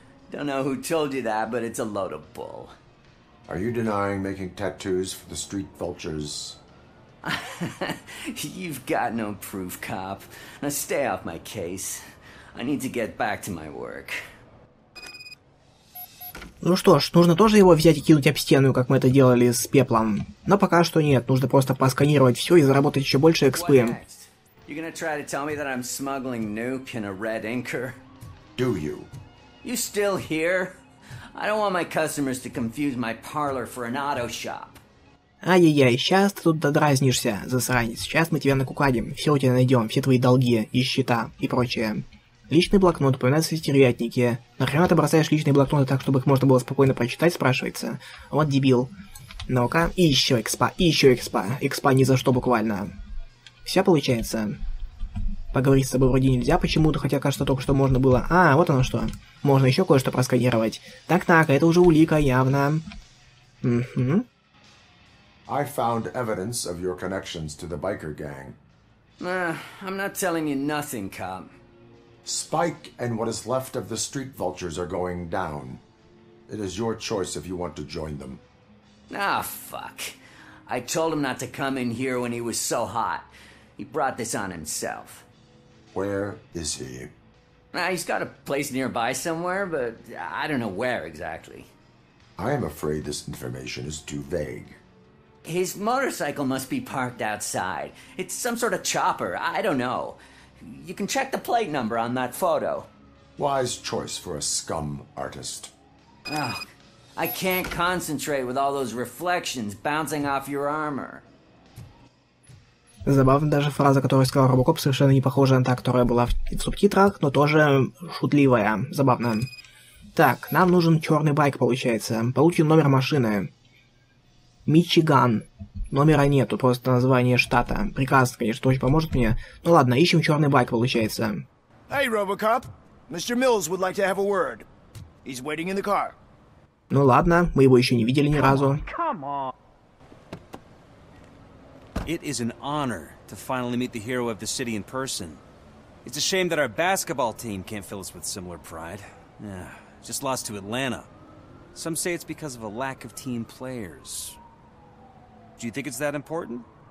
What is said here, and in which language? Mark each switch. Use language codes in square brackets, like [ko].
[en] Don't know who told you that, but it's a load of bull. Are you denying making tattoos for the street vultures? You've got no proof, cop. Now stay off my case. I need to get back to my work. [ru] Ну что ж, нужно тоже его взять и кинуть об стену, как мы это делали с пеплом. Но пока что нет, нужно просто просканировать все и заработать еще больше экспы. [en] What next? You're gonna try to tell me that I'm smuggling nuke in a red inker? Do you? You still here? I don't want my customers to confuse my parlor for an auto shop. [ru] Ай-яй-яй, сейчас ты тут додразнишься, засранец. Сейчас мы тебя накукадим, все у тебя найдем, все твои долги и счета и прочее. Личный блокнот, упоминается в стервятнике. Нахрена ты бросаешь личные блокноты так, чтобы их можно было спокойно прочитать, спрашивается? Вот дебил. Ну-ка, и еще экспа, и еще экспа. Экспа ни за что буквально. Все получается. Поговорить с собой вроде нельзя почему-то, хотя кажется только что можно было. А, вот оно что. Можно еще кое-что просканировать. Так-так, это уже улика, явно. [en] I found evidence of your connections to the biker gang. I'm not telling you nothing, cop. Spike and what is left of the street vultures are going down. It is your choice if you want to join them. Ah, fuck. I told him not to come in here when he was so hot. He brought this on himself. Where is he? He's got a place nearby somewhere, but I don't know where exactly. I am afraid this information is too vague. His motorcycle must be parked outside. It's some sort of chopper. I don't know. You can check the plate number on that photo. Wise choice for a scum artist. Ugh. I can't concentrate with all those reflections bouncing off your armor. [ru] Забавно, даже фраза, которую сказал Робокоп, совершенно не похожа на та, которая была в субтитрах, но тоже шутливая. Забавно. Так, нам нужен черный байк, получается. Получим номер машины. Мичиган. Номера нету, просто название штата. Прекрасно, конечно, очень поможет мне. Ну ладно, ищем черный байк, получается. [en] Hey, Robocop. Mr. Mills would like to have a word. He's waiting in the car. [ru] Ну ладно, мы его еще не видели ни разу. [en] It is an honor to finally meet the hero of the city in person. It's a shame that our basketball team can't fill us with similar pride. Yeah, just lost to Atlanta. Some say it's because of a lack of team players. Do you think it's that important?